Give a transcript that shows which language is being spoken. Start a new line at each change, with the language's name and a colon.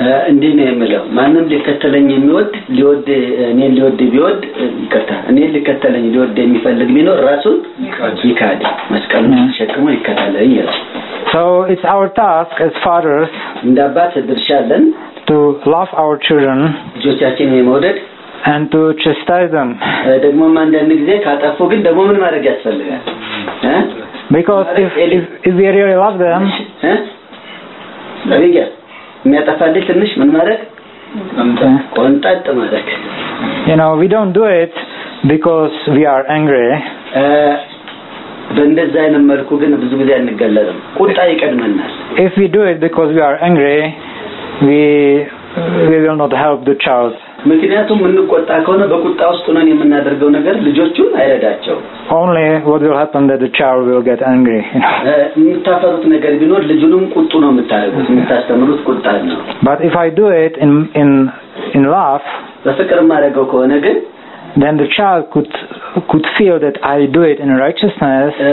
Amharic: እንዴ ነው ማንንም ሊከተለኝ የሚወድ ሊወድ እኔ ሊወድ ቢወድ ይከተል እኔ ሊከተለኝ ሊወድ የሚፈልግ ቢኖር ራሱን ይካድ መስቀሉን ተሸክሞ ይከተለኝ ይላል.
English: So it's our task as fathers
Amharic: እንደ አባት ድርሻለን
English: to love our children
Amharic: ልጆቻችንን የመውደድ
English: and to chastise them.
Amharic: ደግሞ አንዳንድ ጊዜ ካጠፉ ግን ደግሞ ምን ማድረግ ያስፈልጋል?
English: Because if we really love them,
Amharic: ለዚህ የሚያጠፋል ትንሽ ምን ማለት ቆንጣጥ ማለት.
English: You know, we don't do it because we are angry.
Amharic: በእንደዛ አይነት መልኩ ግን ብዙ ጊዜ አንገለጥም. ቁጣ ይቀድመናል.
English: If we do it because we are angry, we will not help the child.
Amharic: ምክንያቱም እንቆጣ ከሆነ በቁጣ ውስጥ ነን የምናደርገው ነገር ልጆቹን አይረዳቸው.
English: Only what will happen that the child will get angry.
Amharic: የምታፈሩት ነገር ቢኖር ልጁንም ቁጡ ነው የምታደርጉት የምታስተምሩት ቁጣ ነው.
English: But if I do it in love
Amharic: በፍቅር ማረገው ከሆነ ግን
English: then the child could feel that I do it in righteousness